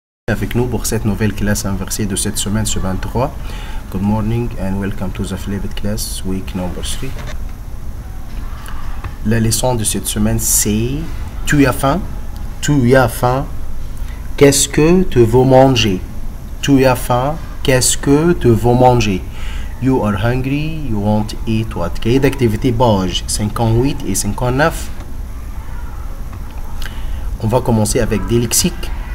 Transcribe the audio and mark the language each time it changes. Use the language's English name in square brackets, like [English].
[French] Avec nous pour cette nouvelle classe inversée de cette semaine, semaine 3. [English] Good morning and welcome to the flipped class, week number 3. [French] La leçon de cette semaine, c'est tu as faim? Tu as faim? Qu'est-ce que tu veux manger? Tu as faim? Qu'est-ce que tu veux manger? [English] You are hungry, you want to eat what? [French] Cahier d'activité Bauge 58 et 59. On va commencer avec des lexiques.